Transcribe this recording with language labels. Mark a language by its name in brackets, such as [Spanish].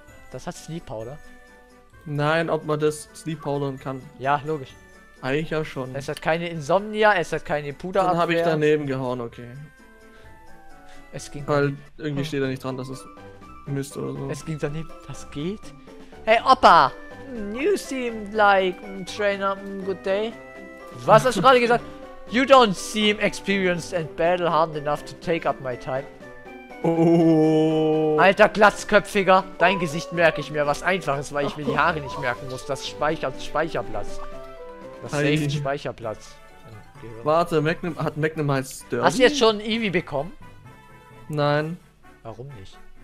[German] Das hat Sleep Powder. Nein, ob man das Sleep Powdern kann. Ja, logisch. Eigentlich ja schon. Es hat keine Insomnia, es hat keine Puderabwehr. Dann habe ich daneben gehauen, okay. Es ging. Weil irgendwie steht da nicht dran, dass es. Mist oder so. Es ging daneben. Was geht? Hey, Opa! [English] You seem like a trainer, good day. [German] Was hast du gerade gesagt? [English] You don't seem experienced and battle-hardened enough to take up my time. Oh. [German] Alter Glatzköpfiger, dein Gesicht merke ich mir, was einfaches, weil ich mir die Haare nicht merken muss. Das speichert Speicherplatz. Das safe Speicherplatz. Warte, hat Magnum mal Sturdy? Hast du jetzt schon Eevee bekommen? Nein. Warum nicht?